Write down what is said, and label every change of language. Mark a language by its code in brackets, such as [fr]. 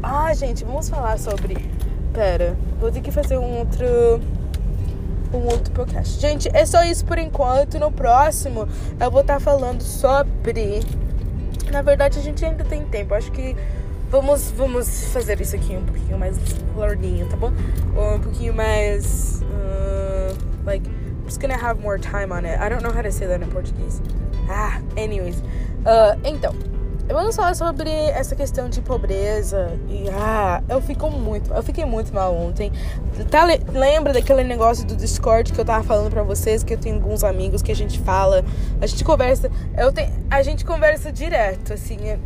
[pt] Ah, gente, vamos falar sobre... Pera, vou ter que fazer um outro podcast. Gente, é só isso por enquanto. No próximo, eu vou estar falando sobre... Na verdade, a gente ainda tem tempo. Acho que vamos fazer isso aqui um pouquinho mais lordinho, tá bom? Ou um pouquinho mais... [en] like, I'm just gonna have more time on it. I don't know how to say that in Portuguese. Ah, anyways. [pt] Então, vamos falar sobre essa questão de pobreza. E, eu fiquei muito mal ontem. Tá, lembra daquele negócio do Discord que eu tava falando pra vocês? Que eu tenho alguns amigos que a gente fala. A gente conversa. A gente conversa direto, assim.